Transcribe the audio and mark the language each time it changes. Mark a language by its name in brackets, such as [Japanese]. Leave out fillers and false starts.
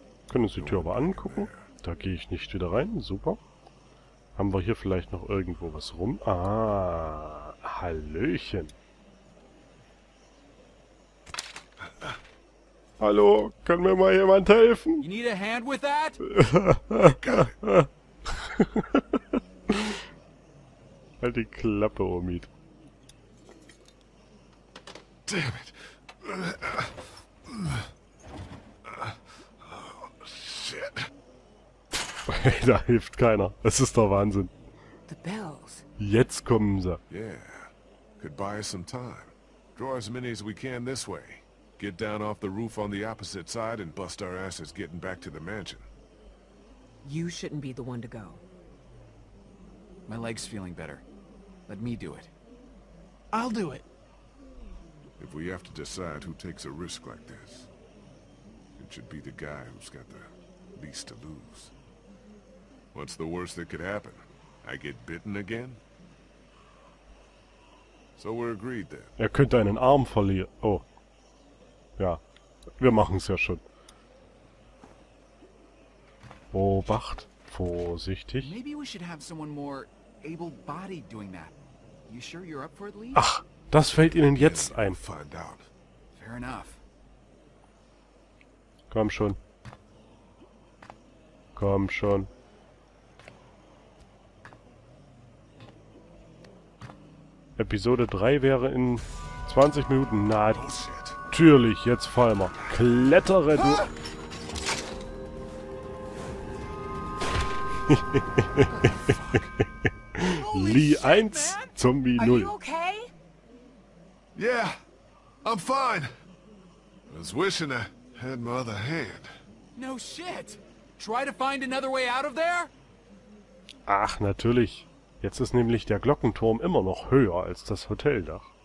[German] Können uns die Tür aber angucken. Da gehe ich nicht wieder rein. Super. Haben wir hier vielleicht noch irgendwo was rum? Ah, Hallöchen. Hallo, kann mir mal jemand helfen? [English] You need a hand with that? [German] Halt die Klappe, Omid. [English] Damn it. Oh, shit. [German] Da hilft keiner. Das ist doch Wahnsinn. [English] The bells. [German] Jetzt kommen sie. [English] Yeah. Could buy us some time. Draw as many as we can this way. Get down off the roof on the opposite side and bust our asses getting back to the mansion. You shouldn't be the one to go. My leg's feeling better. Let me do it. I'll do it. If we have to decide who takes a risk like this, it should be the guy who's got the least to lose. What's the worst that could happen? I get bitten again? So we're agreed then. [German] Er könnte einen Arm verlieren. Oh. Ja, wir machen es ja schon. Obacht, vorsichtig. [English] Maybe we should have someone more able-bodied doing that. You sure you're up for it, Lee? [German] Ach, das fällt Ihnen jetzt ein. [English] Fair enough. [German] Komm schon. Komm schon. Episode 3 wäre in 20 Minuten nahe. Natürlich, jetzt fallen wir. Klettere, du... Lee 1, Zombie 0. [English] Yeah, I'm fine. I was wishing I had my other hand. No shit. Try to find another way out of there? [German] Ach, natürlich. Jetzt ist nämlich der Glockenturm immer noch höher als das Hoteldach.